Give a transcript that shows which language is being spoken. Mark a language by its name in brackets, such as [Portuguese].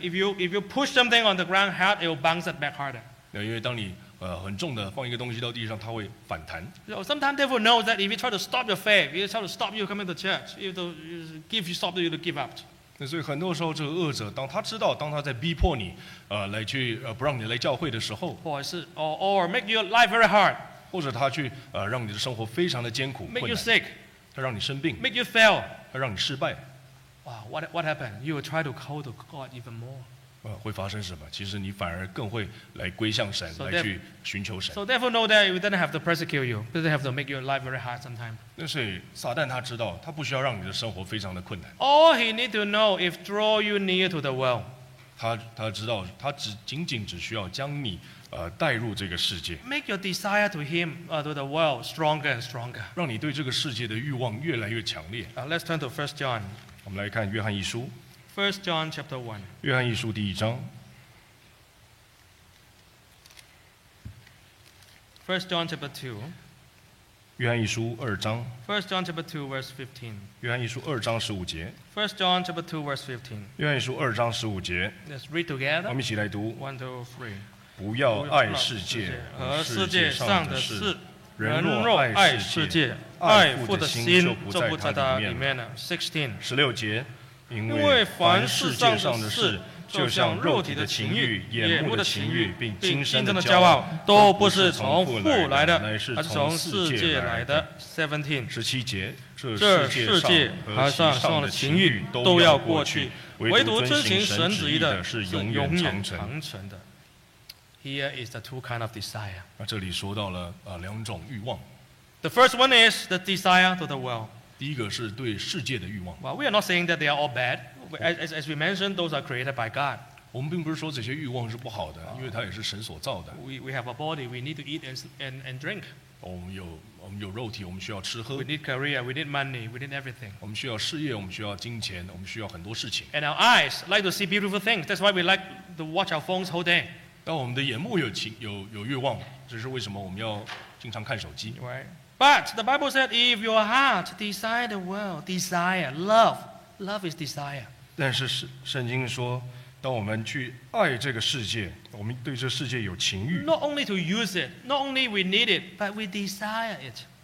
[English] If you push something on the ground hard, it will bounce it back harder. [Chinese] 因为当你很重的放一个东西到地上，它会反弹。 [English] So sometimes devil knows that if you try to stop your faith, if you try to stop you coming to church, you stop, you give up. [Chinese] 所以很多时候，这个恶者当他知道，当他在逼迫你，来去不让你来教会的时候，或者是 [English] or make your life very hard, [Chinese] 或者他去让你的生活非常的艰苦困难 [English] make you sick, [Chinese] 他让你生病 [English] make you fail. [Chinese] 让你失败。 [English] Wow, what happened? You will try to call to God even more. [Chinese] 会发生什么？其实你反而更会来归向神， [English] so、 [Chinese] 来去寻求神。 [English] So devil know that we don't have to persecute you, but they have to make your life very hard sometimes. [Chinese] 那所以撒旦他知道，他不需要让你的生活非常的困难。 [English] All he need to know if draw you near to the world. [Chinese] 他知道，他仅仅需要将你带入这个世界。 [English] Make your desire to him, to the world stronger and stronger. [Chinese] 让你对这个世界的欲望越来越强烈。 [English] Let's turn to 1 John. [Chinese] 我们来看约翰一书。 [English] First John chapter 1. [Chinese] 约翰一书第一章。 [English] First John chapter 2. [Chinese] 约翰一书二章。 [English] First John chapter 2 verse 15. [Chinese] 约翰一书二章十五节。 [English] First John chapter 2 verse 15. [Chinese] 约翰一书二章十五节。 [English] Let's read together. [Chinese] 我们一起来读。 [English] One, two, three. [Chinese] 不要爱世界和世界上的事。人若爱世界，爱父的心就不在他里面了。 16 节，因为凡世界上的事，就像肉体的情欲、眼目的情欲，并今生的骄傲，都不是从父来的，乃是从世界来的。17 节，这世界和世上的情欲都要过去，唯独遵行神旨意的是永远长存的。 [English] Here is the two kind of desire. [Chinese] 那这里说到了两种欲望。 [English] The first one is the desire to the world. [Chinese] 第一个是对世界的欲望。 [English] Well, we are not saying that they are all bad. As we mentioned, those are created by God. [Chinese] 我们并不是说这些欲望是不好的，因为它也是神所造的。 [English] We have a body. We need to eat and drink. [Chinese] 我们有肉体，我们需要吃喝。 [English] We need career. We need money. We need everything. [Chinese] 我们需要事业，我们需要金钱，我们需要很多事情。 [English] And our eyes like to see beautiful things. That's why we like to watch our phones whole day. [Chinese] 但我们的眼目有欲望，这是为什么我们要经常看手机 [English] ？Right. But the Bible said, if your heart desire the world, desire love, love is desire. [Chinese] 但是圣经说，当我们去爱这个世界，我们对这世界有情欲。 [English] Not only to use it, not only we need it, but we desire it.